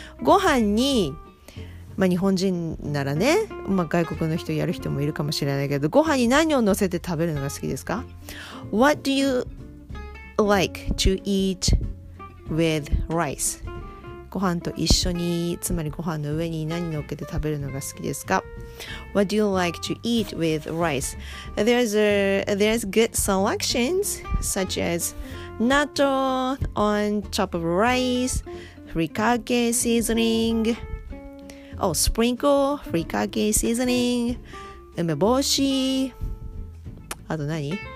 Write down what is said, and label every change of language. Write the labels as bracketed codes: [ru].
[ja] ご飯に、まあ、日本人ならね、まあ、外国の人やる人もいるかもしれないけど、ご飯に何を乗せて食べるのが好きですか？ [en] What do you like to eat with rice? [ja] ご飯と一緒に、つまりご飯の上に何乗っけて食べるのが好きですか？ [en] What do you like to eat with rice? There's good selections such as natto on top of rice, furikake seasoning, sprinkle, furikake seasoning, [ja] 梅干し、あと何？